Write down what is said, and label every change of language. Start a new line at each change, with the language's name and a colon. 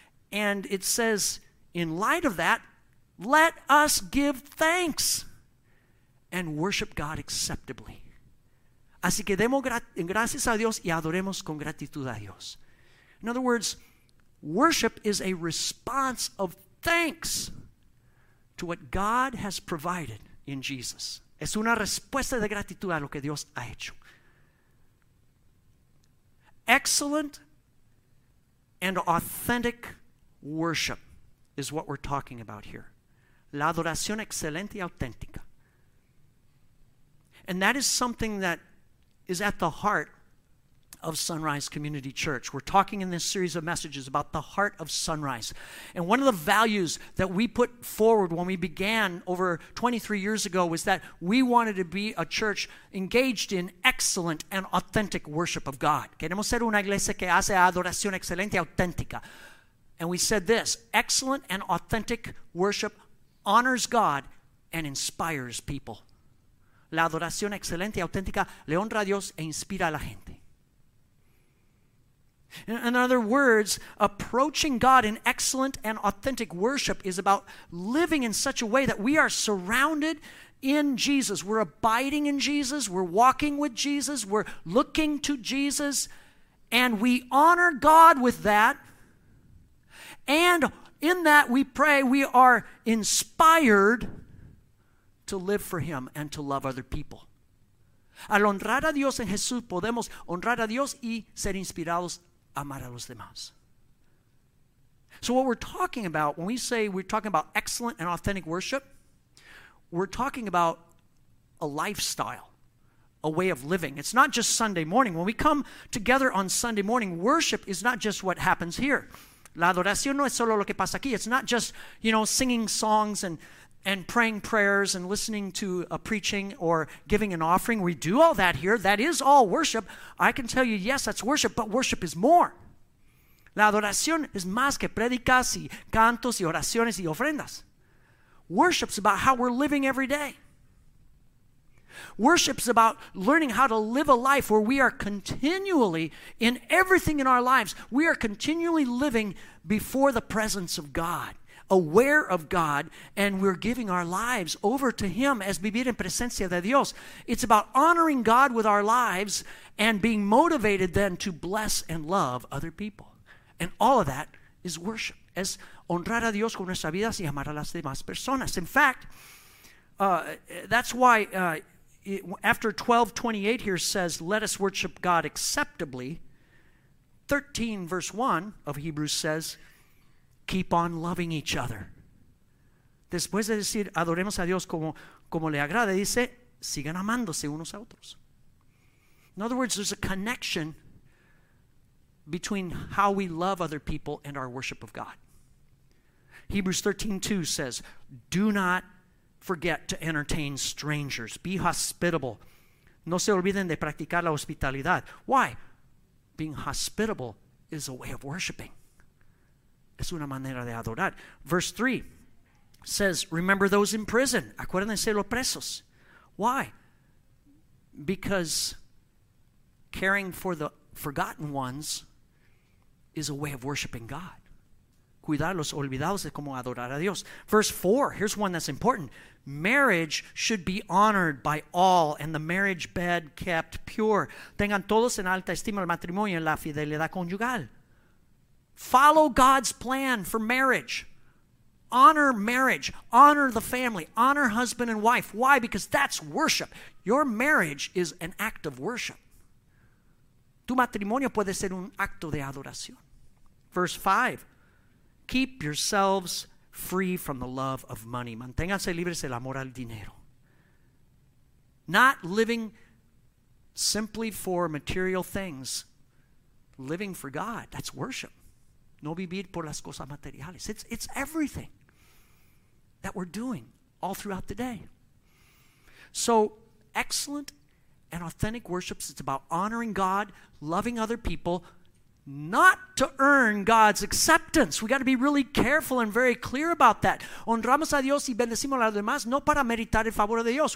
English: And it says, in light of that, let us give thanks and worship God acceptably.
Spanish: Así que demos gracias a Dios y adoremos con gratitud a Dios.
English: In other words, worship is a response of thanks to what God has provided in Jesus.
Spanish: Es una respuesta de gratitud a lo que Dios ha hecho.
English: Excellent and authentic worship is what we're talking about here.
Spanish: La adoración excelente y auténtica.
English: And that is something that is at the heart of Sunrise Community Church. We're talking in this series of messages about the heart of Sunrise. And one of the values that we put forward when we began over 23 years ago was that we wanted to be a church engaged in excellent and authentic worship of God.
Spanish: Queremos ser una iglesia que hace adoración excelente y auténtica.
English: And we said this, excellent and authentic worship honors God and inspires people.
Spanish: La adoración excelente y auténtica le honra a Dios e inspira a la gente.
English: In other words, approaching God in excellent and authentic worship is about living in such a way that we are surrounded in Jesus. We're abiding in Jesus. We're walking with Jesus. We're looking to Jesus. And we honor God with that. And in that we pray, we are inspired to live for Him and to love other people.
Spanish: Al honrar a Dios en Jesús, podemos honrar a Dios y ser inspirados a amar a los demás.
English: So what we're talking about, when we say we're talking about excellent and authentic worship, we're talking about a lifestyle, a way of living. It's not just Sunday morning. When we come together on Sunday morning, worship is not just what happens here.
Spanish: La adoración no es solo lo que pasa aquí.
English: It's not just, you know, singing songs and praying prayers and listening to a preaching or giving an offering. We do all that here. That is all worship. I can tell you, yes, that's worship, but worship is more.
Spanish: La adoración es más que predicas y cantos y oraciones y ofrendas.
English: Worship's about how we're living every day. Worship's about learning how to live a life where we are continually, in everything in our lives, we are continually living before the presence of God, aware of God, and we're giving our lives over to Him as
Spanish: vivir en presencia de Dios.
English: It's about honoring God with our lives and being motivated then to bless and love other people. And all of that is worship.
Spanish: Es honrar a Dios con nuestras vidas y amar a las demás personas.
English: In fact, that's why after 12:28 here says, let us worship God acceptably, 13 verse 1 of Hebrews says, keep on loving each other.
Spanish: Después de decir, adoremos a Dios como le agrade, dice, sigan amándose unos a otros.
English: In other words, there's a connection between how we love other people and our worship of God. Hebrews 13:2 says, do not forget to entertain strangers. Be hospitable.
Spanish: No se olviden de practicar la hospitalidad.
English: Why? Being hospitable is a way of worshiping.
Spanish: Es una manera de adorar.
English: Verse 3 says, remember those in prison.
Spanish: Acuérdense los presos.
English: Why? Because caring for the forgotten ones is a way of worshiping God.
Spanish: Cuidar los olvidados es como adorar a Dios.
English: Verse 4, here's one that's important. Marriage should be honored by all and the marriage bed kept pure.
Spanish: Tengan todos en alta estima el matrimonio y la fidelidad conyugal.
English: Follow God's plan for marriage. Honor marriage. Honor the family. Honor husband and wife. Why? Because that's worship. Your marriage is an act of worship.
Spanish: Tu matrimonio puede ser un acto de adoración.
English: Verse 5. Keep yourselves free from the love of money.
Spanish: Manténganse libres del amor al dinero.
English: Not living simply for material things. Living for God. That's worship.
Spanish: No vivir por las cosas materiales.
English: It's everything that we're doing all throughout the day. So excellent and authentic worships, it's about honoring God, loving other people, not to earn God's acceptance. We got to be really careful and very clear about that.
Spanish: Honramos a Dios y bendecimos a los demás, no para meritar el favor de Dios.